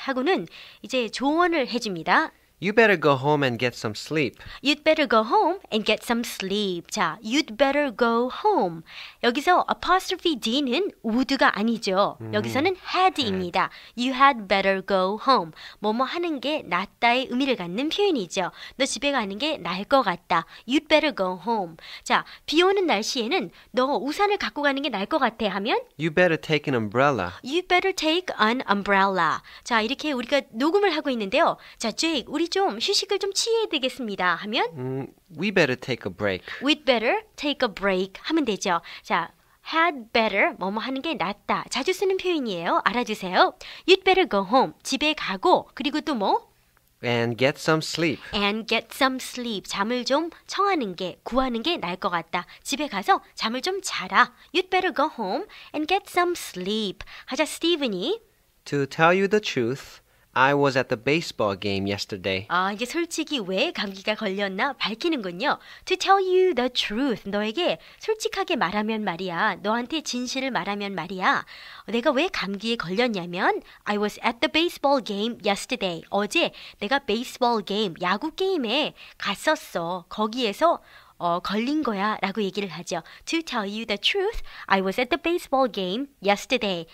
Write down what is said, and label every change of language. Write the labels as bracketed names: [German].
[Korean] 하고는 이제 조언을 해줍니다. [English] You better go home and get some sleep. You'd better go home and get some sleep. [Korean] 자, [English] you'd better go home. [Korean] 여기서 apostrophe D는 would가 아니죠. 여기서는 had입니다. [English] You had better go home. [Korean] 뭐뭐 하는 게 낫다의 의미를 갖는 표현이죠. 너 집에 가는 게 나을 것 같다. [English] You'd better go home. [Korean] 자, 비 오는 날씨에는 너 우산을 갖고 가는 게 나을 것 같아 하면 [English] You better take an umbrella. You better take an umbrella. [Korean] 자, 이렇게 우리가 녹음을 하고 있는데요. 자, Jake, 우리 좀 휴식을 좀 취해야 되겠습니다 하면 [English] We better take a break. We'd better take a break [Korean] 하면 되죠. 자, had better 뭐뭐 하는 게 낫다. 자주 쓰는 표현이에요. 알아주세요. [English] You'd better go home. [Korean] 집에 가고 그리고 또 뭐? [English] And get some sleep. And get some sleep. [Korean] 잠을 좀 청하는 게, 구하는 게 나을 것 같다. 집에 가서 잠을 좀 자라. [English] You'd better go home and get some sleep. [Korean] 하자, 스티븐이 [English] To tell you the truth, I was at the baseball game yesterday. [Korean] 아, 이제 솔직히 왜 감기가 걸렸나 밝히는군요. [English] To tell you the truth. [Korean] 너에게 솔직하게 말하면 말이야. 너한테 진실을 말하면 말이야. 내가 왜 감기에 걸렸냐면 [English] I was at the baseball game yesterday. [Korean] 어제 내가 baseball game, 야구 게임에 갔었어. 거기에서 걸린 거야 라고 얘기를 하죠. [English] To tell you the truth, I was at the baseball game yesterday.